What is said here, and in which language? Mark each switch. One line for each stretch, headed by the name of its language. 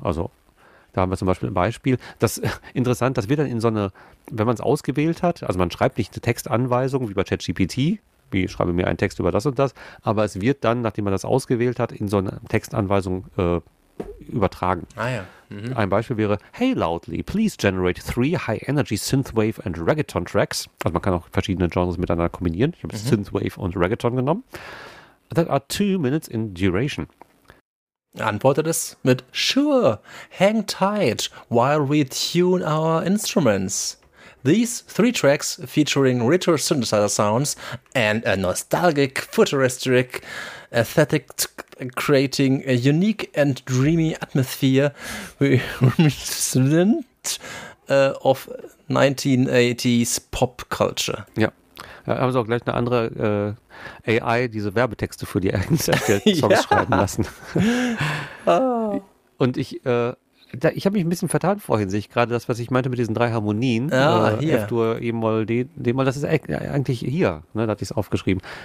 German: Also da haben wir zum Beispiel ein Beispiel. Das ist interessant, dass wir dann in so eine, wenn man es ausgewählt hat, also man schreibt nicht eine Textanweisung wie bei ChatGPT, wie schreibe mir einen Text über das und das, aber es wird dann, nachdem man das ausgewählt hat, in so eine Textanweisung übertragen. Ah ja. Ein Beispiel wäre,
English: hey Loudly, please generate 3 high-energy Synthwave and Reggaeton Tracks.
German: Also man kann auch verschiedene Genres miteinander kombinieren. Ich habe Synthwave und Reggaeton genommen.
English: That are 2 minutes in duration.
German: Antwortet es mit,
English: sure, hang tight while we tune our instruments. These 3 tracks featuring retro synthesizer sounds and a nostalgic, futuristic, aesthetic, creating a unique and dreamy atmosphere reminiscent of 1980s pop culture.
German: Ja, haben sie auch gleich eine andere AI, diese Werbetexte für die eigenen Songs schreiben lassen. Und ich habe mich ein bisschen vertan vorhin, sehe ich gerade das, was ich meinte mit diesen 3 Harmonien. F-Dur, E-Moll, D-Moll, das ist eigentlich hier, ne, da hatte ich es aufgeschrieben.